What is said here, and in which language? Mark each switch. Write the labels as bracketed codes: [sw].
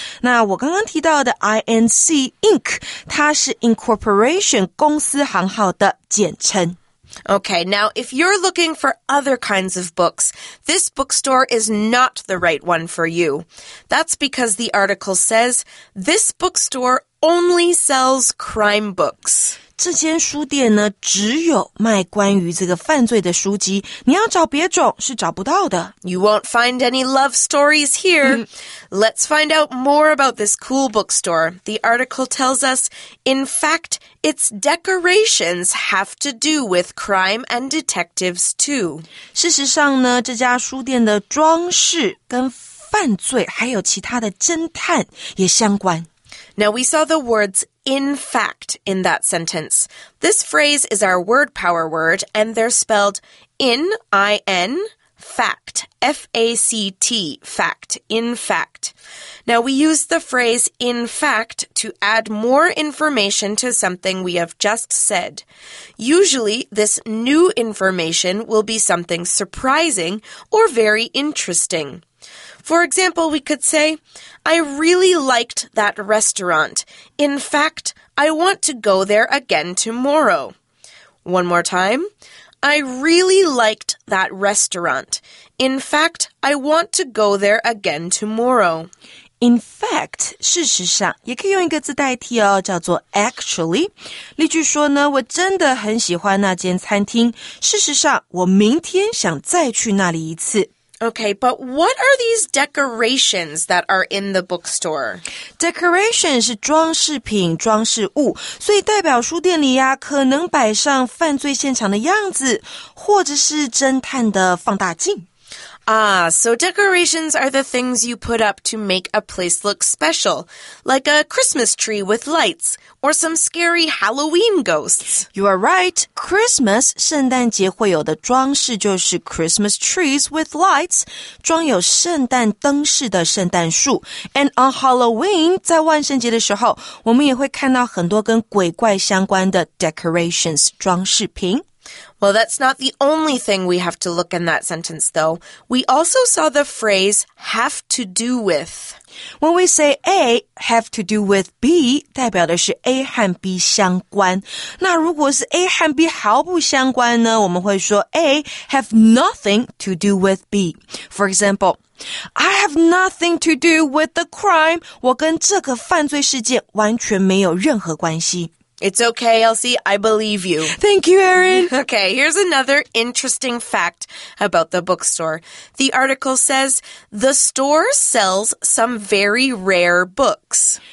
[zh] 那我刚刚提到的 I-N-C, ink, 它是 incorporation, 公司行号的简称。 [en] Okay, now if you're looking for other kinds of books, this bookstore is not the right one for you. That's because the article says, this bookstore only sells crime books. [zh] 这间书店呢，只有卖关于这个犯罪的书籍，你要找别种是找不到的。 [en] You won't find any love stories here. Let's find out more about this cool bookstore. The article tells us, in fact, its decorations have to do with crime and detectives too. 事实上呢，这家书店的装饰跟犯罪还有其他的侦探也相关。 Now we saw the words in fact in that sentence. This phrase is our word power word, and they're spelled in, I-N, fact, F-A-C-T, fact, in fact. Now we use the phrase in fact to add more information to something we have just said. Usually this new information will be something surprising or very interesting. For example, we could say, I really liked that restaurant. In fact, I want to go there again tomorrow. One more time. I really liked that restaurant. In fact, I want to go there again tomorrow. [zh] In fact, 事实上也可以用一个字代替哦，叫做 actually. 例句说呢，我真的很喜欢那间餐厅。事实上，我明天想再去那里一次。 [en] Okay, but what are these decorations that are in the bookstore? [zh] Decoration 是装饰品、装饰物，所以代表书店里呀，可能摆上犯罪现场的样子，或者是侦探的放大镜。 [en] Ah, so decorations are the things you put up to make a place look special, like a Christmas tree with lights, or some scary Halloween ghosts. You are right. [zh] Christmas, 圣诞节会有的装饰就是 [en] Christmas trees with lights, [zh] 装有圣诞灯饰的圣诞树。 [en] And on Halloween, [zh] 在万圣节的时候，我们也会看到很多跟鬼怪相关的 decorations, 装饰品。 [en] Well, that's not the only thing we have to look in that sentence, though. We also saw the phrase have to do with. When we say A, have to do with B, [zh] 代表的是 A 和 B 相关。那如果是 A 和 B 毫不相关呢？我们会说 [en] A have nothing to do with B. For example, I have nothing to do with the crime. [zh] 我跟这个犯罪事件完全没有任何关系。 [en] It's okay, Elsie. I believe you. Thank you, Erin. Okay, here's another interesting fact about the bookstore. The article says, the store sells some very rare books.